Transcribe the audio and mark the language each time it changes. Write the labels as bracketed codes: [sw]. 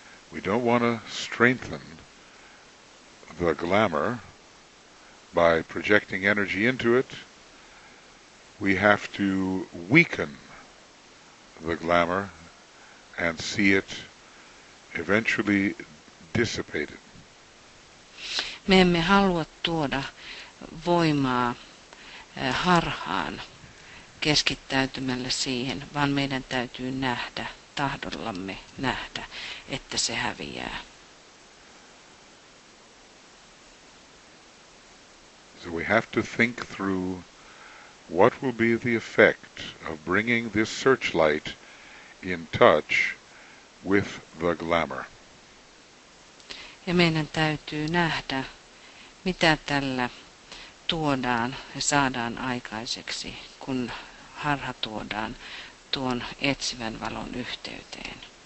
[en] We don't want to strengthen the glamour by projecting energy into it. We have to weaken the glamour and see it eventually dissipated. [fi] Me emme halua tuoda voimaa harhaan keskittäytymällä siihen, vaan meidän täytyy nähdä, tahdollamme nähdä, että se häviää. [en] So we have to think through what will be the effect of bringing this searchlight in touch with the glamour. [fi] Ja meidän täytyy nähdä, mitä tällä tuodaan ja saadaan aikaiseksi, kun harha tuodaan tuon etsivän valon yhteyteen.